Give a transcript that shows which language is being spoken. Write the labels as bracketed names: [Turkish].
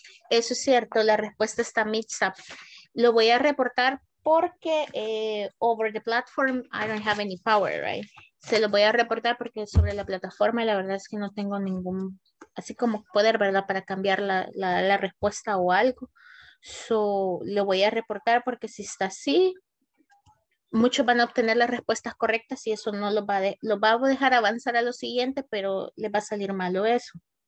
[Spanish] Eso es cierto, la respuesta está mixed up. Lo voy a reportar porque [English] over the platform I don't have any power, right? [Spanish] Se lo voy a reportar porque sobre la plataforma la verdad es que no tengo ningún, así como poder, ¿verdad? Para cambiar la, la, la respuesta o algo. So, lo voy a reportar porque si está así, muchos van a obtener las respuestas correctas y eso no los va, de, los va a dejar avanzar a lo siguiente, pero les va a salir malo eso.